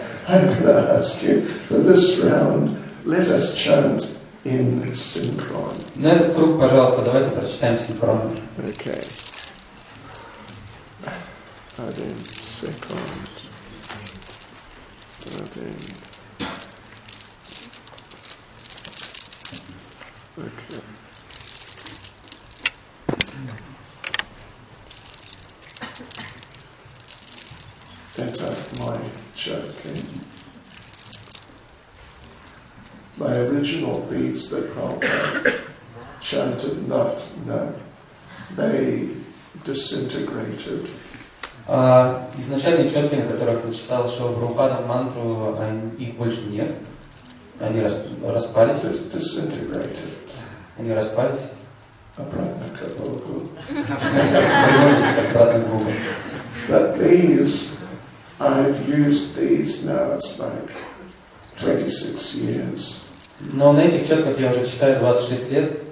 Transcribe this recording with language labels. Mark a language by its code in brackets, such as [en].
[en] I'm going to ask you, for this round, let us chant in synchron. [ru] На этот круг, пожалуйста, давайте прочитаем синхрон. [en] Okay. [ru] Один секунд. Один. [en] That's my joke. My original beads that Prabhupada chanted not, no. They disintegrated. [ru] Изначальные четки, на которых начитал Шрила Прабхупада мантру, их больше нет. Они распались. [en] It's disintegrated. [ru] Они распались. Обратно к Богу. Вернулись обратно к Богу. [en] But these, I've used these now, it's like 26 years. [ru] Но на этих четках я уже читаю 26 лет.